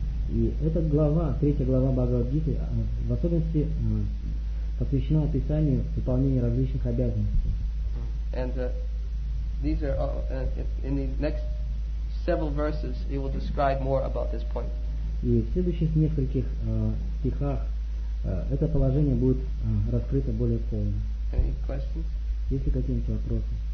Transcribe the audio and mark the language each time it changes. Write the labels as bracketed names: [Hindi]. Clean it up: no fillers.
[Russian] И эта глава, третья глава Бхагавад Гиты, в особенности посвящена описанию выполнения различных обязанностей. [English] And these are all, in the next several verses, it will describe more about this point. [Russian] И в следующих нескольких стихах это положение будет раскрыто более полно. [English] Any questions? [Russian] Есть ли какие-нибудь вопросы?